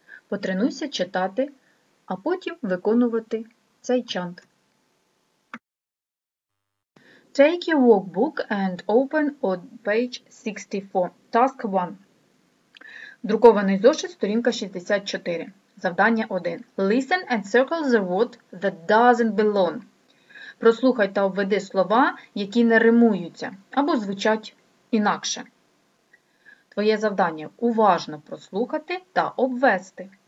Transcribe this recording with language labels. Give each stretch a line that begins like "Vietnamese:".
Ukrainian: Потренуйся читати, а потім виконувати цей чант.
English: Take your workbook and open on page 64. Task 1.
Ukrainian: Друкований зошит, сторінка 64. Завдання 1.
English: Listen and circle the word that doesn't belong.
Ukrainian: Прослухай та обведи слова, які не римуються або звучать інакше. Твоє завдання – уважно прослухати та обвести.